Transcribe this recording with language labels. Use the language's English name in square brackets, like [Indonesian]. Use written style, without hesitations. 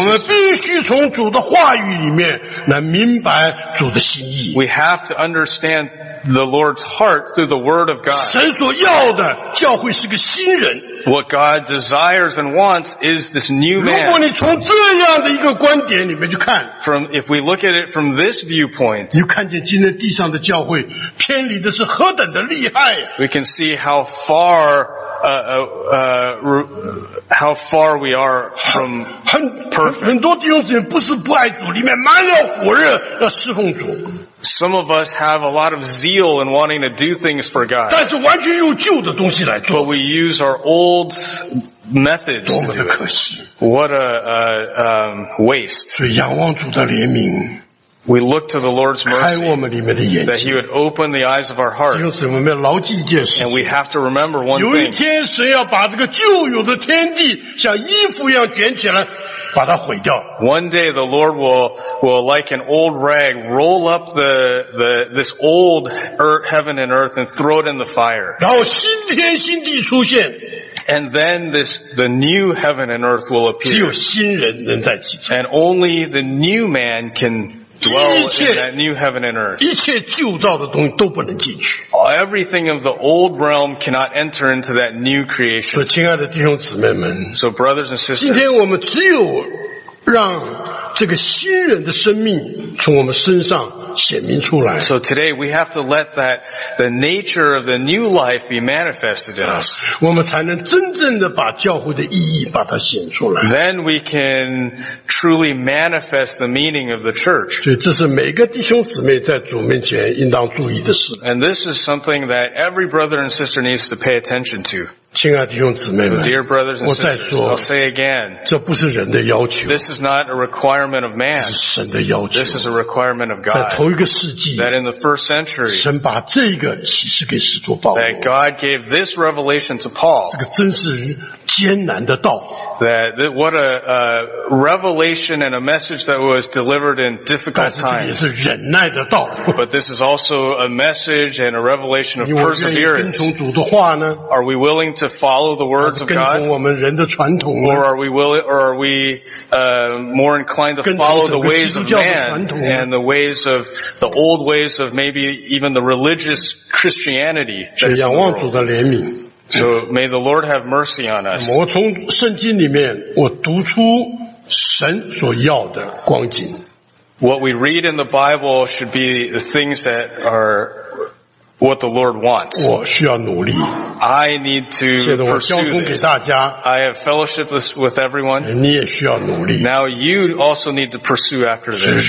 [Chinese] 我们必须从主的话语里面来明白主的心意。 [English] We have to understand the Lord's heart through the word of God. [Chinese] 神所要的教会是个新人。 [English] What God desires and wants is this new man. [Chinese] 如果你从这样的一个观点里面去看。 [English] If we look at it from this viewpoint. [Chinese] 你看见今天地上的教会偏离的是何等的厉害啊。 [English] We can see how far we are from perfect. [Chinese] 很多弟兄姊妹不是不爱主，里面满了火热要侍奉主。 [English] Some of us have a lot of zeal in wanting to do things for God. [Chinese] 但是完全用旧的东西来做。 [English] But we use our old methods. [Chinese] 多么的可惜。 [English] What a waste. [Chinese] 所以仰望主的怜悯。 [English] We look to the Lord's mercy. [Chinese] 开我们里面的眼睛。 [English] That he would open the eyes of our heart. [Chinese] 因此我们要牢记一件事。 [English] And we have to remember one thing. [Chinese] 有一天神要把这个旧有的天地像衣服一样卷起来。把它毁掉。 [English] One day the Lord will like an old rag roll up this old earth, heaven and earth and throw it in the fire. [Chinese] 然后新天新地出现。 [English] And then the new heaven and earth will appear. [Chinese] 只有新人能在其中。 [English] And only the new man can dwell in that new heaven and earth. [Chinese] 一切旧造的东西都不能进去。 [English] Everything of the old realm cannot enter into that new creation. [Chinese] 所以亲爱的弟兄姊妹们。 [English] So brothers and sisters. [Chinese] 今天我们只有让这个新人的生命从我们身上显明出来。 [English] So today we have to let that the nature of the new life be manifested in us. [Chinese] 我们才能真正的把教会的意义把它显出来。 [English] Then we can truly manifest the meaning of the church. [Chinese] 所以这是每个弟兄姊妹在主面前应当注意的事。 [English] And this is something that every brother and sister needs to pay attention to. [Chinese] 亲爱的弟兄姊妹们 [English] Dear brothers and sisters, [Chinese] 我再说 [English] I'll say again, [Chinese] 这不是人的要求 [English] This is not a requirement of man. [Chinese] 这是神的要求 [English] This is a requirement of God. [Chinese] 在头一个世纪 [English] That in the first century, [Chinese] 神把这个启示给使徒保罗 [English] That God gave this revelation to Paul. [Chinese] 这个真是艰难的道 [English] that what a revelation and a message that was delivered in difficult times. [Chinese] 但是这也是忍耐的道 [English] But this is also a message and a revelation of perseverance. [Chinese] 因为我愿意跟从主的话呢 [English] Are we willing to follow the words of God? [Chinese] 跟从我们人的传统呢? [English] Or are we more inclined to follow the ways of man and the ways of the old ways of maybe even the religious Christianity? [Chinese] 所以仰望主的怜悯。 [English] So may the Lord have mercy on us. [Chinese] 我从圣经里面我读出神所要的光景。 [English] What we read in the Bible should be the things that are what the Lord wants. [Chinese] 我需要努力。 [English] I need to pursue this. I have fellowship with everyone. [Chinese] 你也需要努力。 [English] Now you also need to pursue after this.